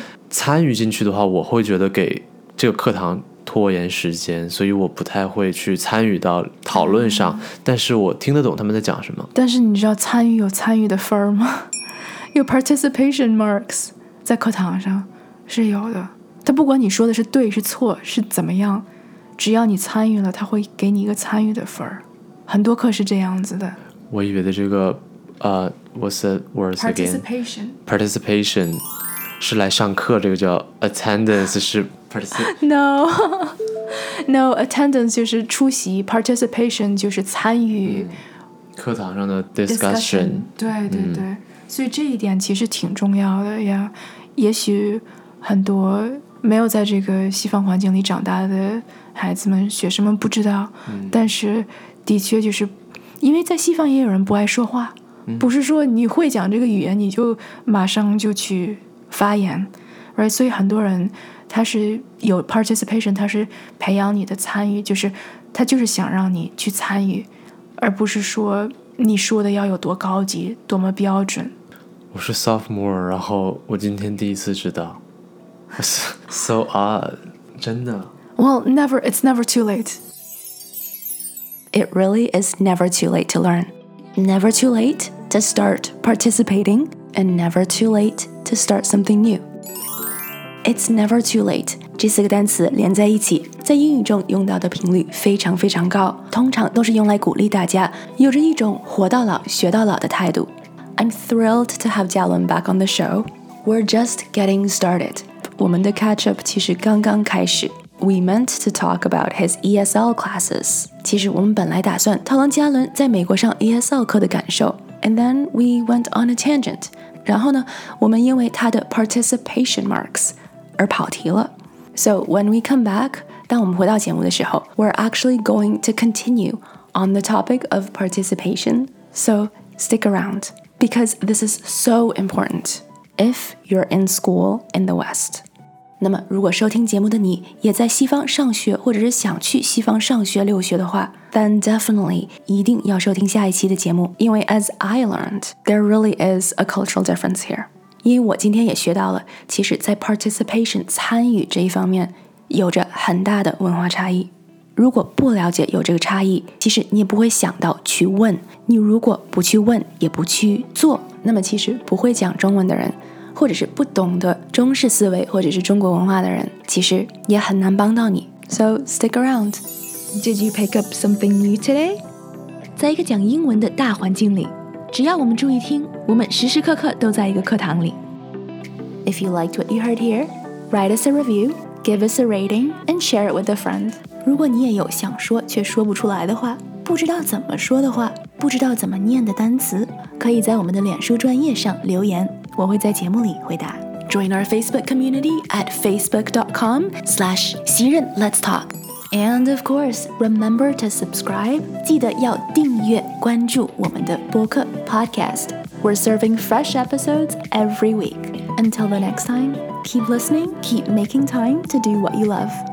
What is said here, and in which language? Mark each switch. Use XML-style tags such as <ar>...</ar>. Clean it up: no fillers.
<zh>参与进去的话，我会觉得给这个课堂拖延时间，所以我不太会去参与到讨论上，但是我听得懂他们在讲什么。但是你知道参与有参与的分儿吗？有 participation marks 在课堂上是有的，他不管你说的是对是错是怎么样，只要你参与了他会给你一个参与的分儿。很多课是这样子的。我以为的这个</zh> <en>what's the words again? Participation</en> <zh>是来上课，这个叫 attendance 是</zh> <en>No No</en> <zh>attendance 就是出席， participation 就是参与、课堂上的 discussion。对对对、所以这一点其实挺重要的呀。也许很多没有在这个西方环境里长大的孩子们学生们不知道、但是的确就是因为在西方也有人不爱说话、不是说你会讲这个语言你就马上就去发言、</zh> <en>right?</en> <zh>所以很多人他是有 participation， 他是培养你的参与，就是他就是想让你去参与，而不是说你说的要有多高级多么标准。我是 sophomore， 然后我今天第一次知道。</zh> <en>So odd。</en> <zh>真的。</zh> <en>Well never, it's never too late. It really is never too late to learn. Never too late to start participating. And never too late to start something new. It's never too late。</en> <zh>这四个单词连在一起，在英语中用到的频率非常非常高，通常都是用来鼓励大家有着一种活到老学到老的态度。</zh> <en>I'm thrilled to have Jialun back on the show. We're just getting started.</en> <zh>我们的 catch up 其实刚刚开始。</zh> <en>We meant to talk about his ESL classes.</en> <zh>其实我们本来打算讨论嘉伦在美国上 ESL 课的感受。</zh> <en>And then we went on a tangent.</en> <zh>然后呢，我们因为他的 participation marks 而跑题了。</zh> <en>So when we come back,</en> <zh>当我们回到节目的时候</zh> <en>we're actually going to continue on the topic of participation. So stick around, because this is so important if you're in school in the West.</en> <zh>那么如果收听节目的你也在西方上学或者是想去西方上学留学的话，</zh> <en>then definitely</en> <zh>一定要收听下一期的节目，因为</zh> <en>as I learned, there really is a cultural difference here.</en> <zh>因为我今天也学到了，其实在 participation 参与这一方面有着很大的文化差异。如果不了解有这个差异，其实你也不会想到去问。你如果不去问也不去做，那么其实不会讲中文的人，或者是不懂得中式思维或者是中国文化的人，其实也很难帮到你。</zh> <en>So stick around. Did you pick up something new today?</en> <zh>在一个讲英文的大环境里，只要我们注意听，我们时时刻刻都在一个课堂里。</zh> <en>If you liked what you heard here, write us a review, give us a rating, and share it with a friend.</en> <zh>如果你也有想说却说不出来的话，不知道怎么说的话，不知道怎么念的单词，可以在我们的脸书专页上留言，我会在节目里回答。</zh> <en>Join our Facebook community at facebook.com/xiren.let's talk. And of course, remember to subscribe,</en> <zh>记得要订阅关注我们的播客</zh> <en>podcast. We're serving fresh episodes every week. Until the next time, keep listening, keep making time to do what you love.</en>